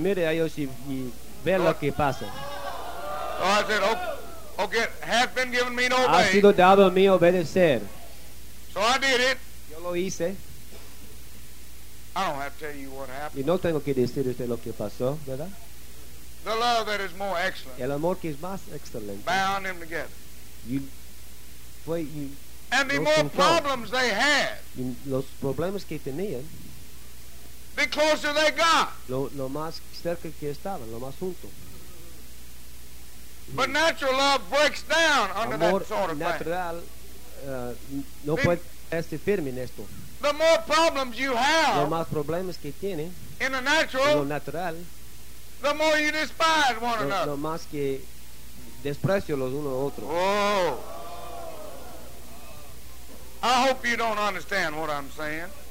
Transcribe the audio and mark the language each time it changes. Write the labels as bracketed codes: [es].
[es] Y mire a ellos y ve lo que pasa. [en] So I said, okay, hath been given me to obey. [es] Ha sido dado a mí obedecer. [en] So I did it. [es] Yo lo hice. [en] I don't have to tell you what happened. [es] Y no tengo que decir usted lo que pasó, ¿verdad? [en] The love that is more excellent. [es] El amor que es más excelente. [en] Bound them together. You and the more problems they had, [es] los problemas que tenían, [en] the closer they got. [es] Lo más cerca que estaban, lo más junto. [en] But natural love breaks down under [es] amor [en] that sort of [es] natural, [en] thing. [es] Amor natural no puede estar firme en esto. [en] The more problems you have, [es] lo más problemas que tiene, [en] in a natural, [es] lo natural, [en] the more you despise one another. [es] Lo más que desprecio los unos a otros. Oh. [en] I hope you don't understand what I'm saying.